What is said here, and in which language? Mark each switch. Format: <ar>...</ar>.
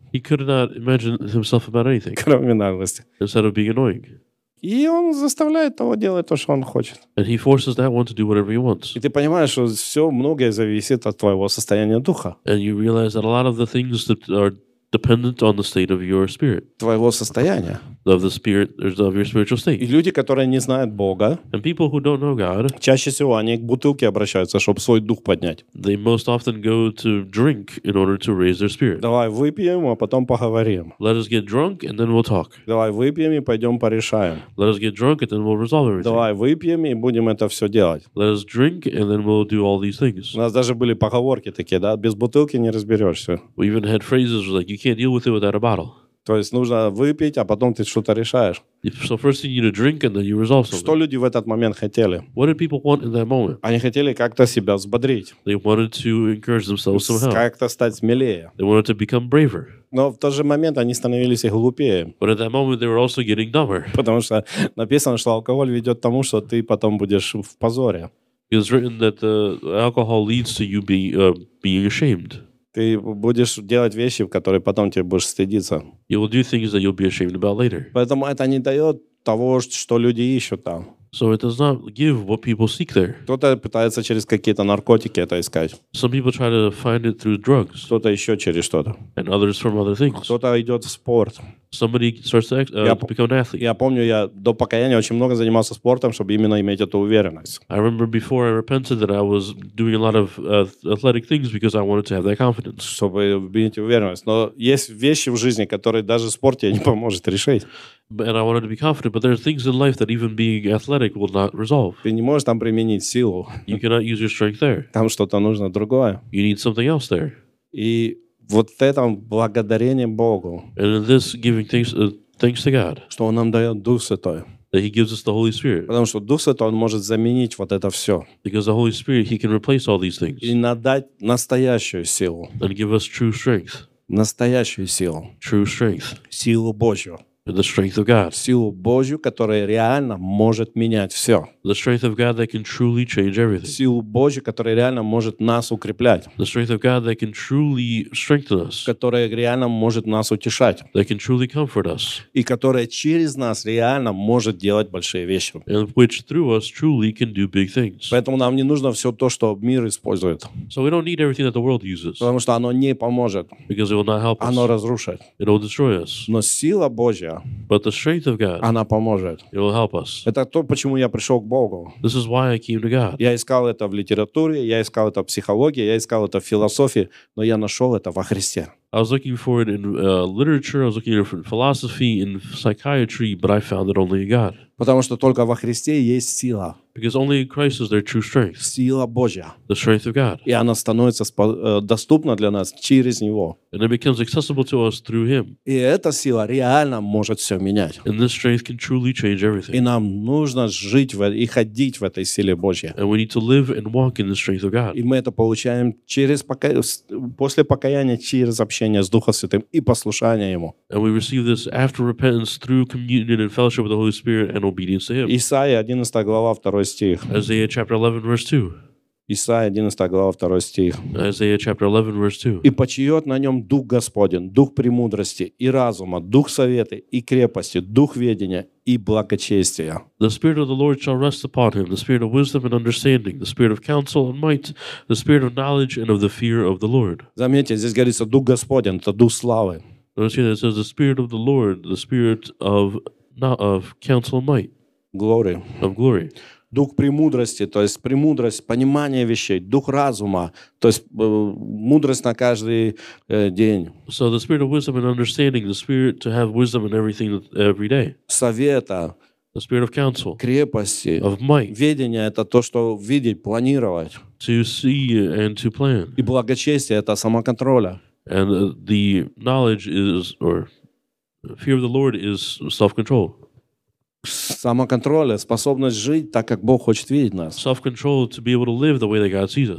<en>He could not imagine himself about anything.</en> <ru>Кроме наглости.</ru> <en>Instead of being annoying.</en> <ru>И он заставляет того делать то, что он хочет.</ru> <en>And he forces that one to do whatever he wants.</en> <ru>И ты понимаешь, что все многое зависит от твоего состояния духа.</ru> <en>And you realize that a lot of the things that are dependent on the state of your spirit.</en> <ru>Твоего состояния.</ru> <en>Of the spirit, of your spiritual state.</en> <ru>И люди, которые не знают Бога,</ru> <en>and people who don't know God,</en> <ru>чаще всего они к бутылке обращаются, чтобы свой дух поднять.</ru> <en>They most often go to drink in order to raise their spirit.</en> <ru>Давай выпьем, а потом поговорим.</ru> <en>Let us get drunk and then we'll talk.</en> <ru>Давай выпьем и пойдем порешаем.</ru> <en>Let us get drunk and then we'll resolve everything.</en> <ru>Давай выпьем и будем это все делать.</ru> <en>Let us drink and then we'll do all these things.</en> <ru>У нас даже были поговорки такие, да, без бутылки не разберешься.</ru> <en>We even had phrases like, you can't deal with it without a bottle.</en> <ru>То есть нужно выпить, а потом ты что-то решаешь.</ru> <en>So first you need a drink and then you resolve something.</en> <ru>Что люди в этот момент хотели?</ru> <en>What did people want in that moment?</en> <ru>Они хотели как-то себя взбодрить.</ru> <en>They wanted to encourage themselves somehow.</en> <ru>Как-то стать смелее.</ru> <en>They wanted to become braver.</en> <ru>Но в тот же момент они становились и глупее.</ru> <en>But at that moment they were also getting dumber.</en> <ru>Потому что написано, что алкоголь ведет к тому, что ты потом будешь в позоре.</ru> <en>It was written that alcohol leads to you being ashamed.</en> <ru>Ты будешь делать вещи, в которые потом тебе будешь стыдиться.</ru> <en>You will do things that you'll be ashamed about later.</en> <ru>Поэтому это не дает того, что люди ищут там.</ru> <en>So it does not give what people seek there.</en> <ru>Кто-то пытается через какие-то наркотики это искать.</ru> <en>Some people try to find it through drugs.</en> <ru>Кто-то еще через что-то.</ru> <en>And others from other things.</en> <ru>Кто-то идет в спорт.</ru> <en>Somebody starts to, to become an athlete.</en> <ru>Я помню, я до покаяния очень много занимался спортом, чтобы именно иметь эту уверенность.</ru> <en>I remember before I repented that I was doing a lot of athletic things because I wanted to have that confidence.</en> <ru>Чтобы иметь уверенность. Но есть вещи в жизни, которые даже спорт тебе не поможет решить.</ru> <en>And I wanted to be confident, but there are things in life that even being athletic will not resolve.</en> <ru>Ты не можешь там применить силу.</ru> <en>You cannot use your strength there.</en> <ru>Там что-то нужно другое.</ru> <en>You need something else there.</en> <ru>И вот это благодарение Богу.</ru> <en>And in this giving thanks, thanks to God.</en> <ru>Что Он нам дает Дух Святой.</ru> <en>That He gives us the Holy Spirit.</en> <ru>Потому что Дух Святой, Он может заменить вот это все.</ru> <en>Because the Holy Spirit, He can replace all these things.</en> <ru>И надать настоящую силу.</ru> <en>And give us true strength.</en> <ru>Настоящую силу.</ru> <en>True strength.</en> <ru>Силу Божью.</ru> <en>The strength of God.</en> <ru>Силу Божью, которая реально может менять все.</ru> <en>The strength of God that can truly change everything.</en> <ru>Силу Божью, которая реально может нас укреплять.</ru> <en>The strength of God that can truly strengthen us.</en> <ru>Которая реально может нас утешать.</ru> <en>That can truly comfort us.</en> <ru>И которая через нас реально может делать большие вещи.</ru> <en>And which through us truly can do big things.</en> <ru>Поэтому нам не нужно все то, что мир использует.</ru> <en>So we don't need everything that the world uses.</en> <ru>Потому что оно не поможет.</ru> <en>Because it will not help</en> <ru>us. Оно разрушит.</ru> <en>It will destroy us.</en> <ru>Но сила Божья.</ru> <en>But the strength of God,</en> <ru>она поможет.</ru> <en>It will help us.</en> <ru>Это то, почему я пришел к Богу.</ru> <en>This is why I came to God.</en> <ru>Я искал это в литературе, я искал это в психологии, я искал это в философии, но я нашел это во Христе.</ru> <en>I was looking for it in literature, I was looking for it in philosophy, in psychiatry, but I found it only in God.</en> <ru>Потому что только во Христе есть сила.</ru> <en>Because only in Christ is there true strength.</en> <ru>Сила Божья.</ru> <en>The strength of God.</en> <ru>И она становится доступна для нас через Него.</ru> <en>And it becomes accessible to us through Him.</en> <ru>И эта сила реально может все менять.</ru> <en>And this strength can truly change everything.</en> <ru>И нам нужно жить и ходить в этой силе Божьей.</ru> <en>And we need to live and walk in the strength of God.</en> <ru>И мы это получаем через после покаяния, через общение с Духом Святым и послушание Ему.</ru> <en>And we receive this after repentance through communion and fellowship with the Holy Spirit and obedience to Him.</en> <ru>Исаия 11 глава 2 стих.</ru> <en>Isaiah chapter 11 verse 2.</en> <ru>Исаия 11 глава 2 стих.</ru> <en>Isaiah chapter 11 verse 2.</en> <ru>И почиет на нем Дух Господень, Дух премудрости и разума, Дух совета и крепости, Дух ведения и благочестия.</ru> <en>The Spirit of the Lord shall rest upon him, the Spirit of wisdom and understanding, the Spirit of counsel and might, the Spirit of knowledge and of the fear of the Lord.</en> <ru>Заметьте, здесь говорится Дух Господень, это Дух славы.</ru> <en>Notice here it says the Spirit of the Lord, the Spirit of not of counsel and might. Glory. Of glory.</en> <ru>Дух премудрости, то есть премудрость, понимание вещей, дух разума, то есть мудрость на каждый день.</ru> <en>So the spirit of wisdom and understanding, the spirit to have wisdom in everything every day.</en> <ru>Совета.</ru> <en>The spirit of counsel.</en> <ru>Крепости.</ru> <en>Of might.</en> <ru>Ведение — это то, что видеть, планировать.</ru> <en>To see and to plan.</en> <ru>И благочестие — это самоконтроля.</ru> <en>And the knowledge is, or Fear of the Lord is self-control.</en> <ru>Самоконтроль, способность жить так, как Бог хочет видеть нас.</ru> <en>Self-control to be able to live the way that God sees us.</en>